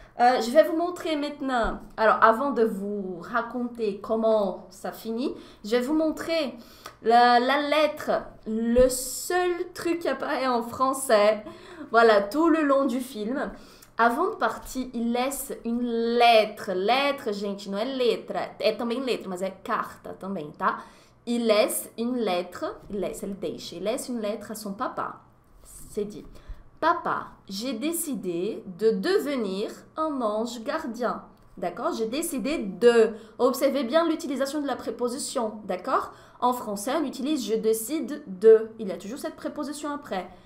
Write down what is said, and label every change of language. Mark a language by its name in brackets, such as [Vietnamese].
[French] Je vais vous montrer maintenant, alors avant de vous raconter comment ça finit, je vais vous montrer la lettre, le seul truc qui apparaît en français, voilà, tout le long du film. Avant de partir, il laisse une lettre. [Portuguese] Lettre, gente, não é letra. É também letra, mas é carta também, tá? [French] Il laisse une lettre. Il laisse une lettre à son papa. C'est dit. Papa, j'ai décidé de devenir un ange gardien. D'accord? J'ai décidé de. Observez bien l'utilisation de la préposition. D'accord? En français, on utilise je décide de. Il y a toujours cette préposition après.